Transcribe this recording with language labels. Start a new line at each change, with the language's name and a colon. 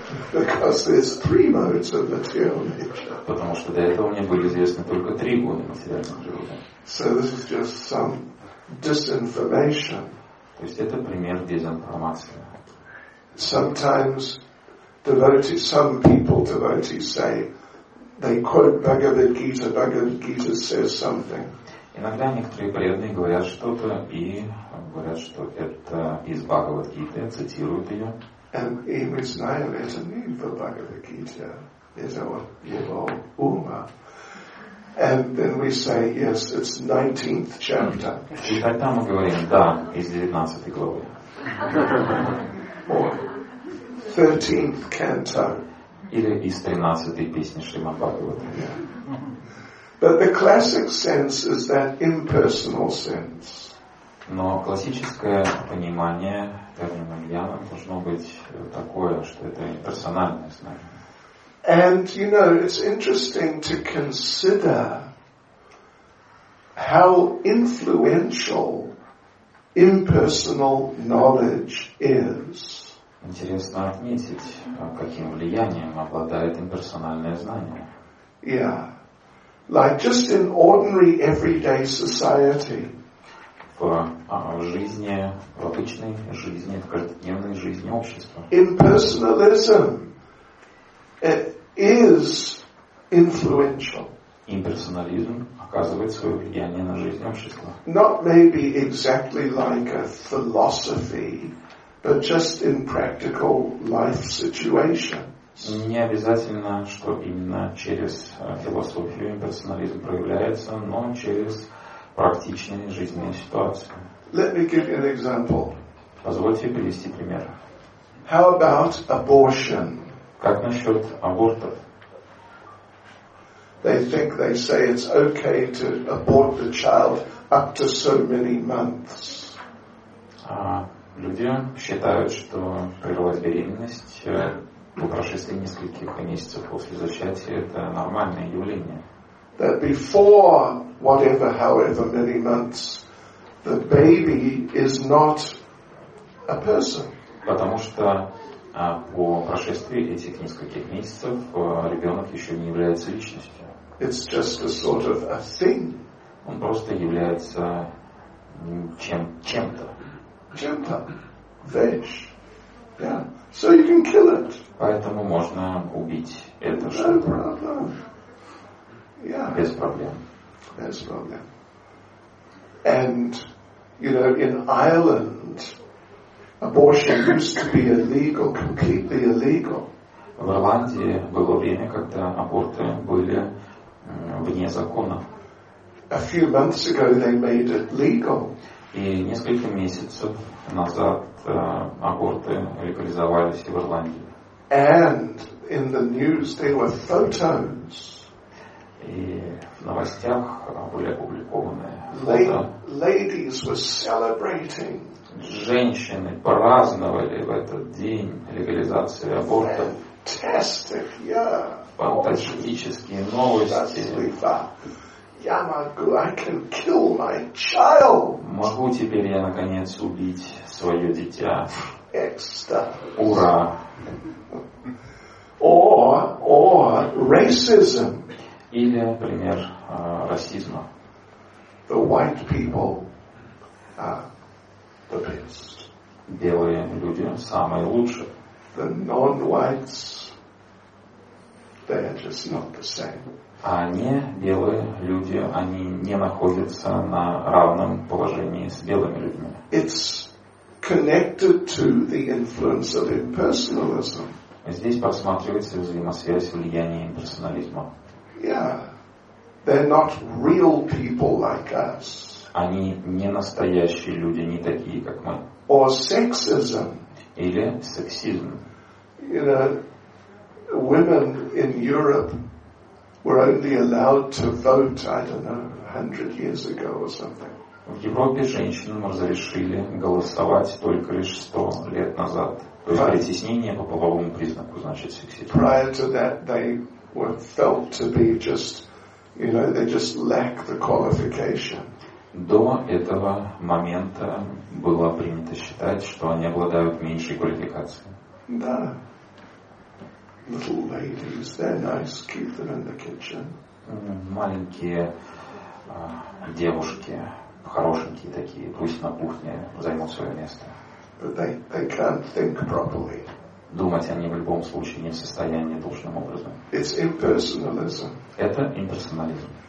English: Because there's three modes of material nature.
Russian: Потому что до этого мне были известны только три гуны материальных животных.
English: So this is just some disinformation.
Russian: То есть это пример дезинформации.
English: Sometimes devotees, some people devotees say, they quote Bhagavad Gita says something.
Russian: Иногда некоторые преданные говорят что-то и говорят, что это из Бхагавад Гиты, цитируют ее.
English: And
Russian: мы знаем, это не в Бхагавад Гите, это вот его ума.
English: And then we say, yes, it's 19th chapter.
Russian: И тогда мы говорим, да, из 19 главы.
English: Or 13th canto.
Russian: Или из 13 песни Шримад Бхагавата.
English: But the classic sense is that impersonal sense.
Russian: Но классическое понимание термина «гьяна» должно быть такое, что это персональное знание.
English: And, you know, it's interesting to consider how influential impersonal knowledge is.
Russian: Интересно отметить, каким влиянием обладает имперсональное знание.
English: Yeah. Like just in ordinary everyday society.
Russian: В жизни, в обычной жизни, в каждодневной жизни общества.
English: Impersonalism is influential.
Russian: Имперсонализм оказывает свое влияние на жизнь общества.
English: Not maybe exactly like a philosophy, but just in practical life situations.
Russian: Не обязательно, что именно через философию имперсонализм проявляется, но через практичные жизненные ситуации.
English: Let me give you an example.
Russian: Позвольте привести пример.
English: How about abortion?
Russian: Как насчет абортов?
English: They think, they say it's okay to abort the child up to so many months.
Russian: Люди считают, что прервать беременность по прошествии нескольких месяцев после зачатия — это нормальное явление.
English: That before whatever, however many months, the baby is not a person.
Russian: Потому что по прошествии этих нескольких месяцев ребенок еще не является личностью.
English: It's just a sort of a thing.
Russian: Он просто является чем-то. Чем-то. Вещь.
English: Yeah. So you can kill it.
Russian: Поэтому можно убить это
English: no
Russian: что-то.
English: Problem. Yeah.
Russian: Без проблем. Без проблем.
English: And, you know, in Ireland, abortion used to be illegal, completely illegal.
Russian: В Ирландии было время, когда аборты были вне закона.
English: A few months ago they made it legal.
Russian: И несколько месяцев назад аборты легализовались в Ирландии.
English: And in the news there were photos.
Russian: И в новостях были опубликованы
English: ladies were celebrating.
Russian: Женщины праздновали в этот день легализации абортов.
English: Fantastic, yeah.
Russian: Фантастические новости.
English: I can kill my child.
Russian: Могу теперь я наконец убить свое дитя. Экстаз. Ура.
English: Or racism.
Russian: Или, например, расизма.
English: The white people are the best.
Russian: Белые люди самые лучшие.
English: The non-whites, they are just not the same.
Russian: А не белые люди, они не находятся на равном положении с белыми людьми.
English: It's connected to the influence of impersonalism.
Russian: Здесь просматривается взаимосвязь влияния имперсонализма.
English: Yeah. They're not real people like us.
Russian: Они не настоящие люди, не такие, как мы.
English: Or sexism.
Russian: Или сексизм.
English: You know, women in Europe were only allowed to vote, I don't know, 100 years ago or something.
Russian: В Европе женщинам разрешили голосовать только лишь 100 лет назад. То есть притеснение по половому признаку, значит, сексизм.
English: Prior to that, they were felt to be just, you know, they just lack the qualification.
Russian: До этого момента было принято считать, что они обладают меньшей квалификацией. Да.
English: Little ladies, they're nice, keep them in the kitchen.
Russian: Маленькие девушки, хорошенькие такие, пусть на кухне займут свое место.
English: But they can't think properly.
Russian: Думать они в любом случае не в состоянии должным образом.
English: It's impersonalism.
Russian: Это имперсонализм.